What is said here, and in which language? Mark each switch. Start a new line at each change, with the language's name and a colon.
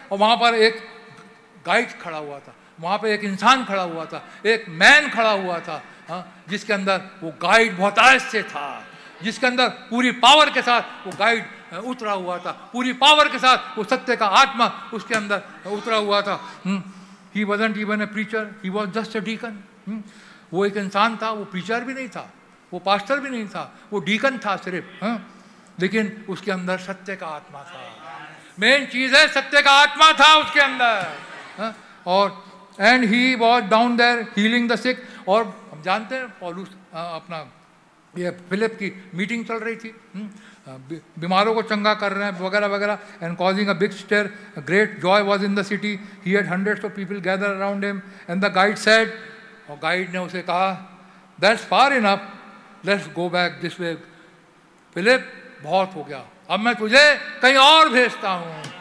Hindi: और वहाँ पर एक गाइड खड़ा हुआ था, वहाँ पर एक इंसान खड़ा हुआ था, एक मैन खड़ा हुआ था, हाँ, जिसके अंदर वो गाइड बहुतायत से था, जिसके अंदर पूरी पावर के साथ वो गाइड उतरा हुआ था, पूरी पावर के साथ वो सत्य का आत्मा उसके अंदर उतरा हुआ था।
English: He wasn't even a preacher, he was just a deacon.
Hindi: वो एक इंसान था, वो प्रीचर भी नहीं था, वो पास्टर भी नहीं था, वो डीकन था सिर्फ, हाँ? लेकिन उसके अंदर सत्य का आत्मा था, मेन चीज है सत्य का आत्मा था उसके अंदर, हाँ?
English: और and he was down there healing the sick, और
Hindi: हम जानते हैं पौलुस अपना ये फिलिप की मीटिंग चल रही थी, बीमारों को चंगा कर रहे हैं वगैरह वगैरह,
English: and causing a big stir, great joy was in the city, he had hundreds of people gather around him, and the guide said,
Hindi: और गाइड ने उसे कहा
English: that's far enough, let's go back this way,
Hindi: Philip बहुत हो गया, अब मैं तुझे कहीं और भेजता हूँ।